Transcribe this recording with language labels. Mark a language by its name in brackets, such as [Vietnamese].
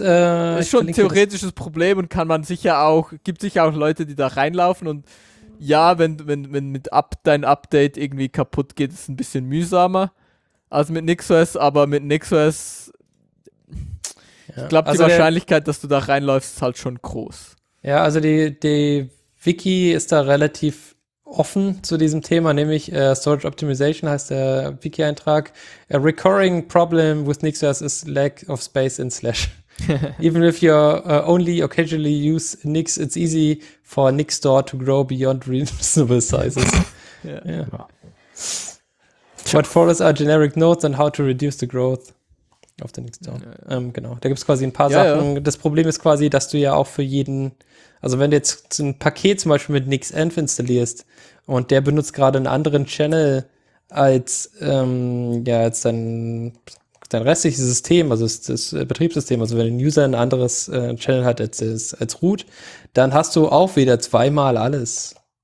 [German] ist schon ein theoretisches Problem und kann man sicher auch, gibt sicher auch Leute, die da reinlaufen und ja, wenn mit dein Update irgendwie kaputt geht, ist es ein bisschen mühsamer als mit NixOS, aber mit NixOS ich glaube, also die Wahrscheinlichkeit, dass du da reinläufst, ist halt schon groß. Ja, also die Wiki ist da relativ offen zu diesem Thema, nämlich Storage Optimization heißt der Wiki-Eintrag. [English] A recurring problem with NixOS is lack of space in slash. Even if you only occasionally use Nix, it's easy for Nix Store to grow beyond reasonable sizes. Yeah. Yeah. What follows are generic notes on how to reduce the growth of the Nix Store. [German] Ja. Genau, da gibt es quasi ein paar Sachen. Ja. Das Problem ist quasi, dass du ja auch für jeden. Also wenn du jetzt ein Paket zum Beispiel mit NixEnv installierst und der benutzt gerade einen anderen Channel als, als dein restliches System, also das Betriebssystem, also wenn ein User ein anderes Channel hat als Root, dann hast du auch wieder zweimal alles.